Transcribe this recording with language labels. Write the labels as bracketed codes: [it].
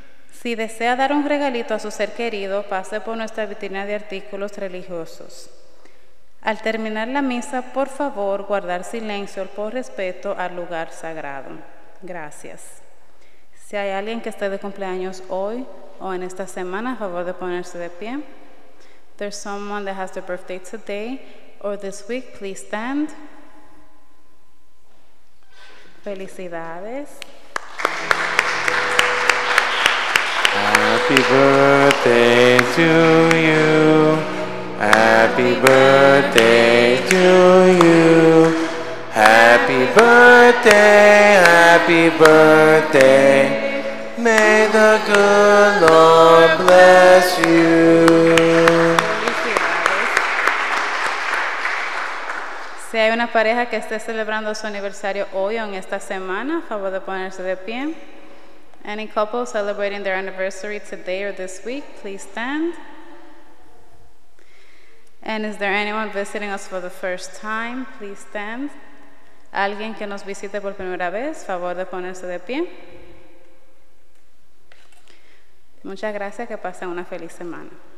[es] Si desea dar un regalito a su ser querido, pase por nuestra vitrina de artículos religiosos. Al terminar la misa, por favor, guardar silencio por respeto al lugar sagrado. Gracias. Si hay alguien que esté de cumpleaños hoy o en esta semana, a favor de ponerse de pie. [en] There's someone that has their birthday today or this week, please stand. [es] Felicidades. [en] Happy birthday to you. Happy birthday to you. Happy birthday, happy birthday. May the good Lord bless you. [es] Si hay una pareja que esté celebrando su aniversario hoy o en esta semana, a favor de ponerse de pie. [en] Any couple celebrating their anniversary today or this week, please stand. And is there anyone visiting us for the first time? Please stand. [es] Alguien que nos visite por primera vez, favor de ponerse de pie. Muchas gracias, que pasen una feliz semana.